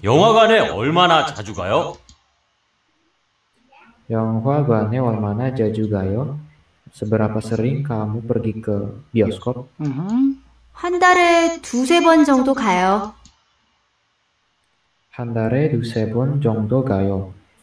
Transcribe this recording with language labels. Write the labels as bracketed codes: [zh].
[ko] 영화관에 얼마나 자주 가요? 영화관에 얼마나 자주 가요? [id] Seberapa sering kamu pergi ke bioskop? [ko] 한 달에 두세 번 정도 가요. 한 달에 두세 번 정도 가요.